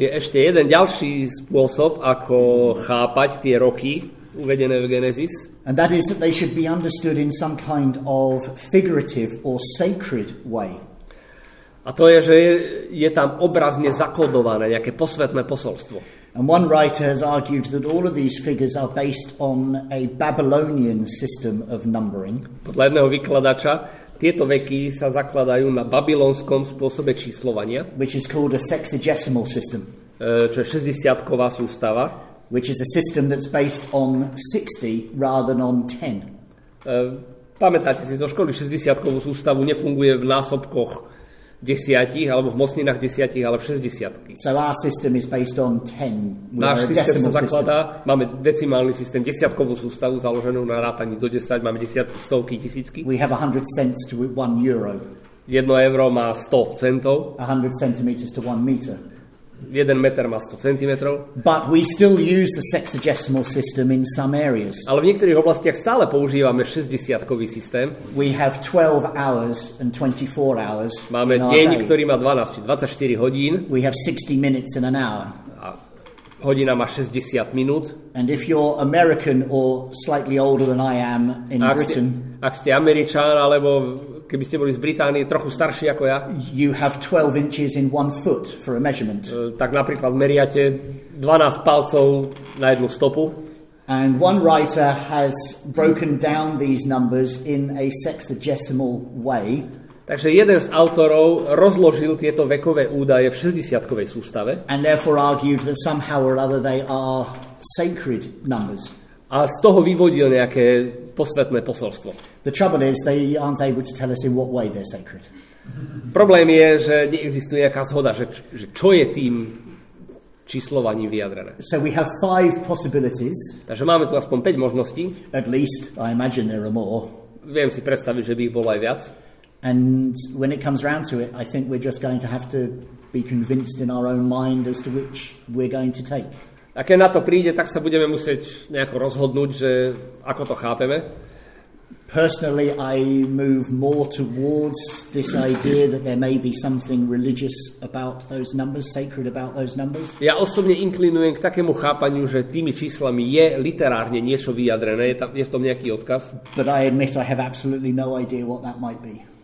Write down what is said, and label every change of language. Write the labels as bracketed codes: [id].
[sk] Je ešte jeden ďalší spôsob, ako chápať tie roky uvedené v Genesis. [en] And that is that they should be understood in some kind of figurative or sacred way. [sk] A to je, že je tam obrazne zakódované nejaké posvetné posolstvo. [en] And one writer has argued that all of these figures are based on a Babylonian system of numbering. [sk] Podľa jedného vykladača tieto veky sa zakladajú na babylonskom spôsobe číslovania, [en] which is called a sexagesimal system. [sk] Čo je 60-ková sústava, [en] which is a system that's based on 60 rather than on 10. [sk] Pamätáte si zo školy, 60-kovú sústavu nefunguje v násobkoch 10 alebo v mocninách 10, ale v 60. [en] So our system is based on 10. [sk] Náš systém sa zakladá, máme decimálny systém, desiatkovú sústavu založenú na rátaní do 10, máme desiatky, stovky, tisícky. [en] We have 100 cents to 1 euro. [sk] 1 euro má 100 centov. [en] 100 centimeters to 1 meter. [sk] 1 meter má 100 centimetrov. [en] But we still use the sexagesimal system in some areas. [sk] Ale v niektorých oblastiach stále používame 60-kový systém. [en] We have 12 hours and 24 hours. [sk] Máme deň, ktorý má 12 či 24 hodín. [en] We have 60 minutes in an hour. [sk] A hodina má 60 minút. [en] And if you're American or slightly older than I am in Britain. [sk] Ak ste Američan alebo keby ste boli z Británie trochu starší ako ja. [en] You have 12 inches in one foot for a measurement. [sk] Tak napríklad meriate 12 palcov na jednu stopu. [en] And one writer has broken down these numbers in a sexagesimal way. [sk] Takže jeden z autorov rozložil tieto vekové údaje v 60-kovej sústave. [en] And therefore argued that somehow or other they are sacred numbers. [sk] A z toho vyvodil nejaké posvetné posolstvo. [en] The trouble is they aren't able to tell us in what way they're sacred. [sk] Problém je, že neexistuje nejaká zhoda, že čo je tým číslovaním vyjadrené. [en] So we have five possibilities. [sk] Takže máme tu aspoň 5 možností. [en] At least I imagine there are more. [sk] Viem si predstaviť, že by ich bolo aj viac. [en] And when it comes round to it, I think we're just going to have to be convinced in our own mind as to which we're going to take. [sk] A keď na to príde, tak sa budeme musieť nejako rozhodnúť, že ako to chápeme. [en] Personally, I move more towards this idea that there may be something religious about those numbers, sacred about those numbers. [sk] Ja osobne inklinujem k takému chápaniu, že tými číslami je literárne niečo vyjadrené, je v tom nejaký odkaz. [en] But I admit I have absolutely no idea what that might be.